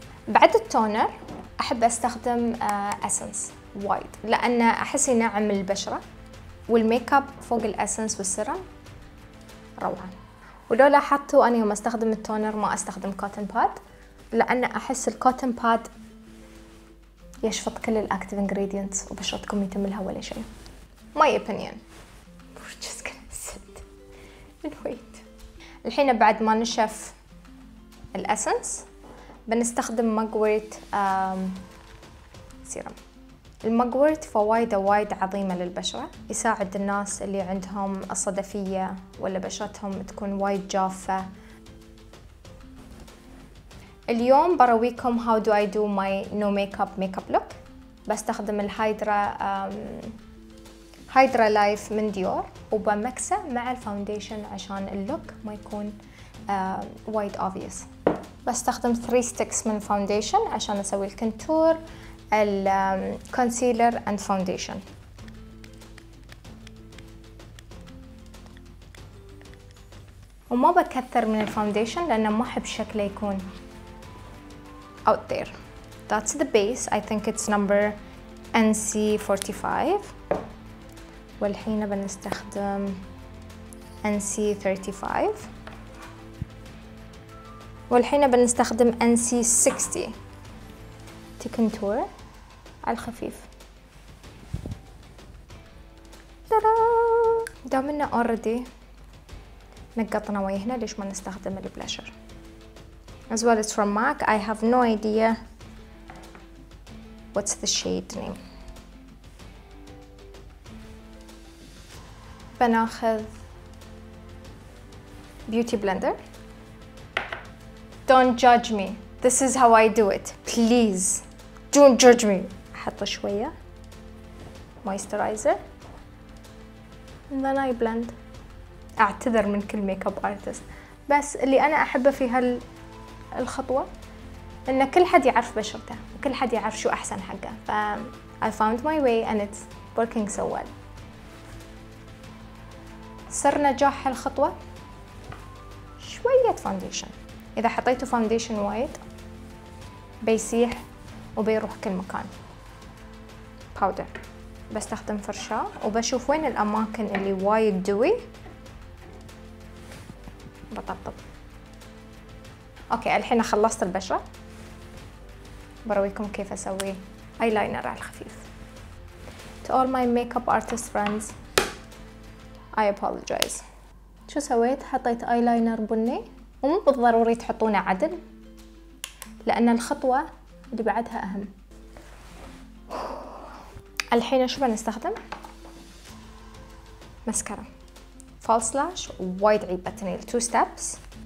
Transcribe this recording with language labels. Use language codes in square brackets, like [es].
[ar] بعد التونر احب استخدم اسنس وايد، لان احس ينعم البشرة، والميك اب فوق الاسنس والسيرم روعة. ولو لاحظتوا اني يوم استخدم التونر ما استخدم كوتن باد، لان احس الكوتن باد يشفط كل الاكتيف انجريدينتس وبشرتكم يتم لها ولا شيء. [en] My opinion. We're just gonna sit and wait. [ar] الحين بعد ما نشف الأسنس بنستخدم مقورت سيرم. المقورت فوايده وايد عظيمة للبشرة، يساعد الناس اللي عندهم الصدفية ولا بشرتهم تكون وايد جافة. اليوم برويكم [en] how do I do my no makeup makeup look. [ar] بستخدم الهايدرا هايدرا لايف من ديور، وبمكسه مع الفاونديشن عشان اللوك ما يكون وايد اوبفيوس. بستخدم 3 ستيكس من الفاونديشن عشان اسوي الكونتور، الكونسيلر اند فاونديشن. وما بكثر من الفاونديشن لانه ما احب شكله يكون [en] Out there. That's the base, I think it's number NC45. [ar] والحين بنستخدم NC35، والحين بنستخدم NC60 تي كونتور على الخفيف. ترى دامنا اوريدي نقطنا وجهنا، ليش ما نستخدم البلاشر؟ [en] As well as from MAC, I have no idea what's the shade name. [ar] بناخذ بيوتي بلندر. [en] Don't judge me. This is how I do it. Please don't judge me. [ar] احط شوية مويسترايزر. [en] And then I blend. [ar] اعتذر من كل ميك اب ارتست. بس اللي انا احبه في هالخطوة ان كل حد يعرف بشرته، وكل حد يعرف شو احسن حقه. [en] ف I found my way and it's working so well. [ar] سر نجاح هالخطوة شوية فانديشن. إذا حطيته فانديشن وايد بيسيح وبيروح كل مكان. باودر بستخدم فرشاة وبشوف وين الأماكن اللي وايد دوي بطبطب. أوكي الحين خلصت البشرة برويكم كيف أسوي أيلاينر على الخفيف. [en] To all my makeup artist friends, I apologize. [ar] شو سويت؟ حطيت أيلاينر بني، ومو بالضروري تحطونه عدل لأن الخطوة اللي بعدها أهم. الحين شو بنستخدم؟ ماسكارا فالس لاش وايد عيب بتنيل 2 ستابس.